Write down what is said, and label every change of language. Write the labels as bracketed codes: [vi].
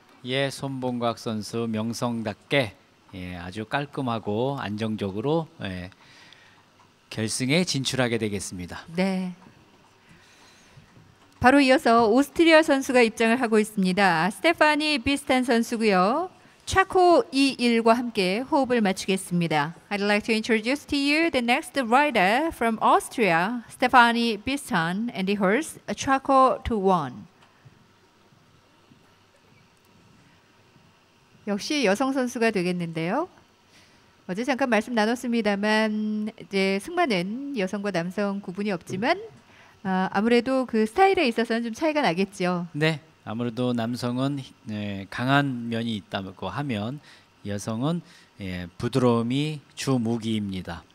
[ko] 예, 손봉각 선수 명성답게 아주 깔끔하고 안정적으로 결승에 진출하게 되겠습니다. 네. 바로 이어서 오스트리아 선수가 입장을 하고 있습니다. 스테파니 비스텐 선수고요. 차코 21과 함께 호흡을 맞추겠습니다. [en] I'd like to introduce to you the next rider from Austria, Stefani Bistan, and the horse Chaco to One. [ko] 역시 여성 선수가 되겠는데요. 어제 잠깐 말씀 나눴습니다만 이제 승마는 여성과 남성 구분이 없지만 아무래도 그 스타일에 있어서는 좀 차이가 나겠죠. 네. 아무래도 남성은 강한 면이 있다고 하면 여성은 부드러움이 주 무기입니다.